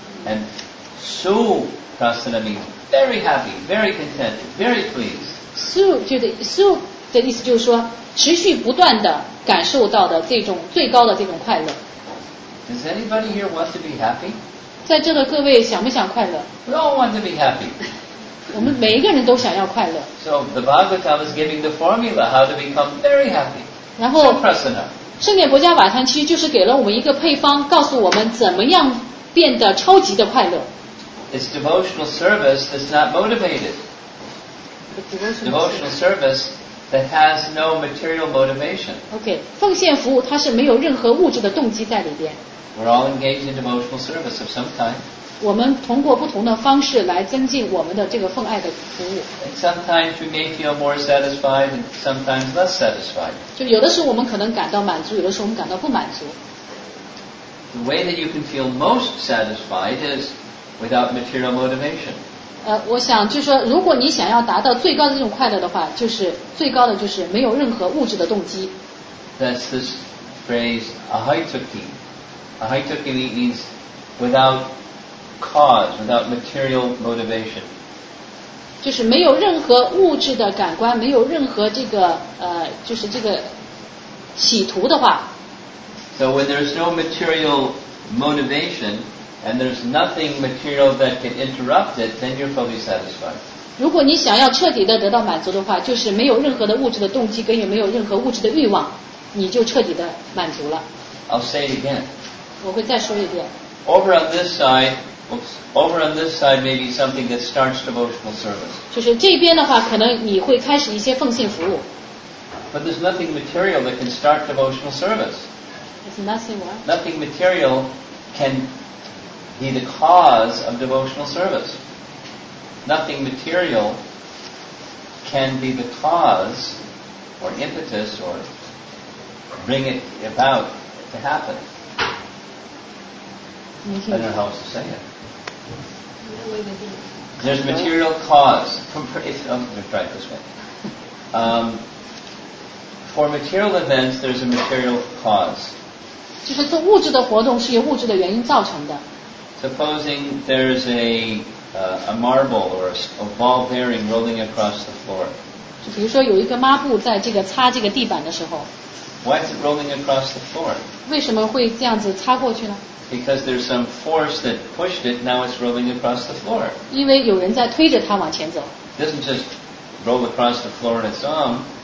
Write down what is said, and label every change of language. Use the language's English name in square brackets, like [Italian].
[English] And su prasanna means. Very happy, very content, very pleased. [Chinese] Su 的意思就是说，持续不断的感受到的这种最高的这种快乐。 [English] Does anybody here want to be happy? [Chinese] 在这的各位想不想快乐？ [English] We all want to be happy. [Chinese] 我们每一个人都想要快乐。 [English] So the Bhagavatam is giving the formula how to become very happy. [Chinese] 然后 [Sanskrit] Prasanna. [Chinese] 圣典薄伽瓦坛其实就是给了我们一个配方，告诉我们怎么样变得超级的快乐。 [English] It's devotional service that's not motivated. Devotional service that has no material motivation. [Chinese] Okay, 奉献服务它是没有任何物质的动机在里边。 [English] We're all engaged in devotional service of some kind. [Chinese] 我们通过不同的方式来增进我们的这个奉爱的服务。 [English] And sometimes we may feel more satisfied and sometimes less satisfied. [Chinese] 就有的时候我们可能感到满足，有的时候我们感到不满足。 [English] The way that you can feel most satisfied is... Without material motivation. [Chinese] 我想就是说，如果你想要达到最高的这种快乐的话，就是最高的就是没有任何物质的动机。 [English] That's this phrase, ahaituki. Ahaituki means without cause, without material motivation. [Chinese] 就是没有任何物质的感官，没有任何这个就是这个企图的话。 [English] So when there's no material motivation. And there's nothing material that can interrupt it, then you're fully satisfied. [Chinese] 如果你想要彻底的得到满足的话，就是没有任何的物质的动机，跟也没有任何物质的欲望，你就彻底的满足了。 [English] I'll say it again. [Chinese] 我会再说一遍。 [English] Over on this side, maybe something that starts devotional service. [Chinese] 就是这边的话，可能你会开始一些奉献服务。 [English] But there's nothing material that can start devotional service. There's nothing what? Nothing material can. Be the cause of devotional service. Nothing material can be the cause or impetus or bring it about to happen. I don't know how else to say it. There's material cause. For material events, there's a material cause. [Chinese] 就是做物质的活动是由物质的原因造成的。 [English] Supposing there's a marble or a ball bearing rolling across the floor. [Chinese] 就比如说有一个抹布在这个擦这个地板的时候。 [English] Why is it rolling across the floor? [Chinese] 为什么会这样子擦过去呢？ [English] Because there's some force that pushed it, now it's rolling across the floor. [Chinese] 因为有人在推着它往前走。 [English] It doesn't just roll across the floor on its own.